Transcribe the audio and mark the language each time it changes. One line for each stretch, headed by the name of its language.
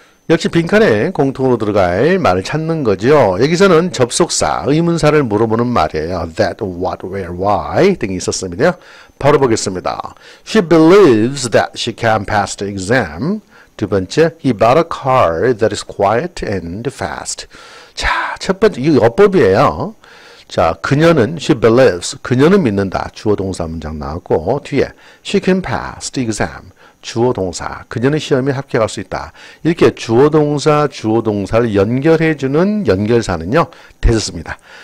Korean: 역시 빈칸에 공통으로 들어갈 말을 찾는 거죠. 여기서는 접속사, 의문사를 물어보는 말이에요. That, what, where, why 등이 있었습니다. 바로 보겠습니다.
English: She believes that she can pass the exam.
Korean: 두 번째,
English: he bought a car that is quiet and fast.
Korean: 자, 첫 번째, 이거 어법이에요. 자, 그녀는,
English: she believes,
Korean: 그녀는 믿는다. 주어 동사 문장 나왔고, 뒤에,
English: she can pass the exam.
Korean: 주어 동사, 그녀는 시험에 합격할 수 있다. 이렇게 주어 동사를 연결해주는 연결사는요, 대수입니다.